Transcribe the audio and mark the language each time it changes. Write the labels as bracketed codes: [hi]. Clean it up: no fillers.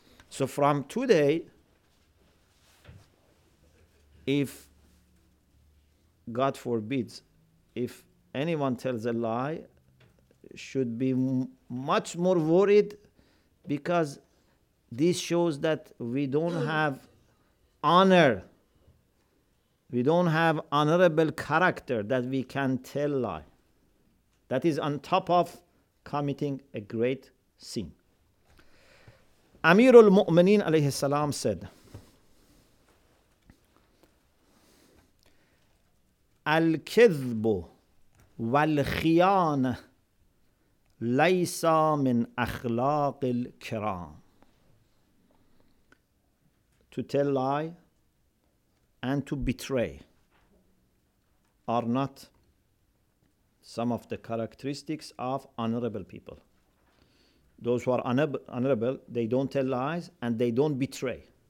[en] So from today, if God forbids, if anyone tells a lie, should be much more worried, because this shows that we don't have honor. We don't have honorable character that we can tell lie. That is on top of committing a great sin. [ar] Amir al-Mu'mineen alayhi salam said, الكذب والخيانة ليس من أخلاق الكرام. [en] To tell lie and to betray are not some of the characteristics of honorable people. Those who are honorable, they don't tell lies and they don't betray.